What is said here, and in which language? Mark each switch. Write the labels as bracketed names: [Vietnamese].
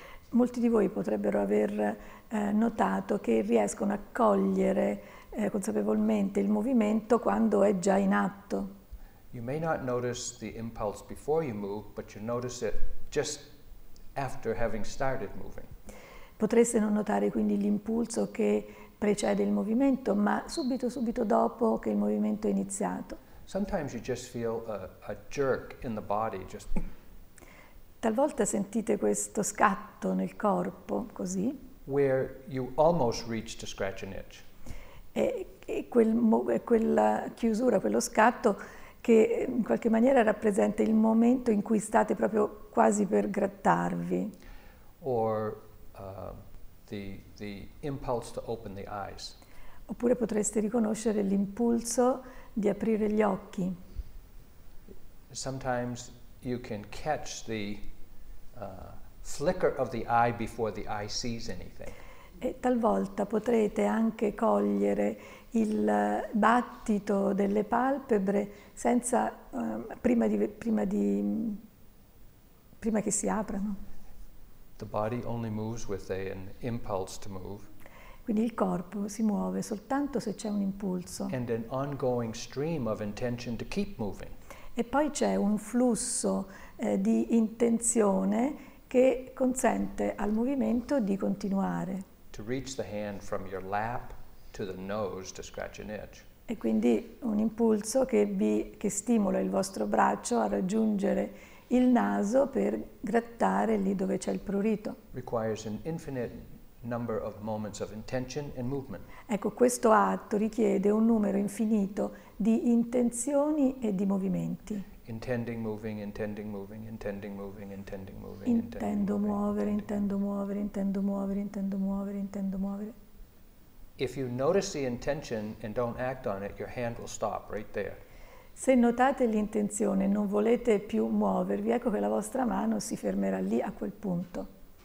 [Italian] Molti di voi potrebbero aver notato che riescono a cogliere consapevolmente il movimento quando è già in atto. [English] You may not notice the impulse before you move, but you notice it just after having started moving. [Italian] Potreste non notare quindi l'impulso che precede il movimento, ma subito dopo che il movimento è iniziato. [English] Sometimes you just feel a jerk in the body, just. [Italian] Talvolta sentite questo scatto nel corpo, così. [English] Where you almost reach to scratch an itch. [Italian] E quella chiusura, quello scatto, che in qualche maniera rappresenta il momento in cui state proprio quasi per grattarvi. [English] Or the impulse to open the eyes. [Italian] Oppure potreste riconoscere l'impulso di aprire gli occhi. [English] Sometimes you can catch the flicker of the eye before the eye sees anything. [Italian] E talvolta potrete anche cogliere il battito delle palpebre senza prima che si aprano. [English] The body only moves with an impulse to move. [Italian] Quindi il corpo si muove soltanto se c'è un impulso. [English] And an ongoing stream of intention to keep moving. [Italian] E poi c'è un flusso di intenzione che consente al movimento di continuare. [English] to reach the hand from your lap to the nose to scratch an itch. [Italian] E quindi un impulso che stimola il vostro braccio a raggiungere il naso per grattare lì dove c'è il prurito. [English] Requires an infinite number of moments of intention and movement. [Italian] Ecco, questo atto richiede un numero infinito di intenzioni e di movimenti. Intendo muovere. [English] If you notice the intention and don't act on it, your hand will stop right there. [Italian] Se notate l'intenzione e non volete più muovervi, ecco che la vostra mano si fermerà lì a quel punto.